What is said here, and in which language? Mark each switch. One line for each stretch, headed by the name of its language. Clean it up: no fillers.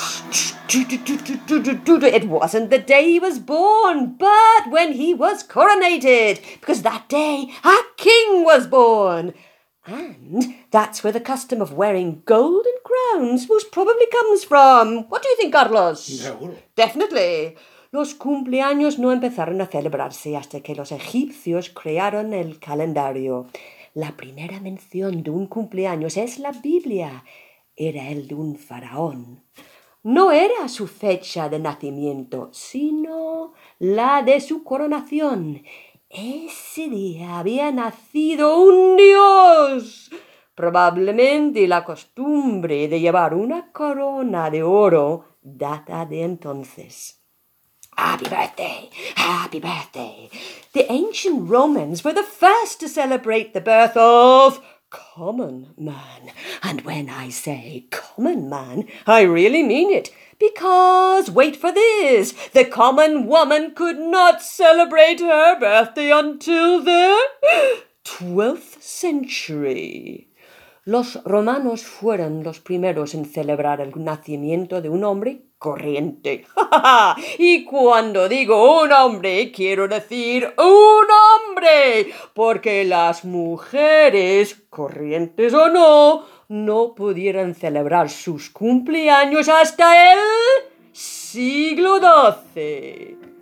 English: It wasn't the day he was born, but when he was coronated, because that day a king was born. And that's where the custom of wearing golden crowns most probably comes from. What do you think, Carlos? No. Definitely.
Spanish: Los cumpleaños no empezaron a celebrarse hasta que los egipcios crearon el calendario. La primera mención de un cumpleaños es la Biblia. Era el de un faraón. No era su fecha de nacimiento, sino la de su coronación. Ese día había nacido un dios. Probablemente la costumbre de llevar una corona de oro data de entonces.
English: Happy birthday! Happy birthday! The ancient Romans were the first to celebrate the birth of common man. And when I say common man, I really mean it. Because, wait for this, the common woman could not celebrate her birthday until the 12th century.
Spanish: Los romanos fueron los primeros en celebrar el nacimiento de un hombre corriente. Y cuando digo un hombre, quiero decir un hombre, porque las mujeres, corrientes o no, no pudieron celebrar sus cumpleaños hasta el siglo XII.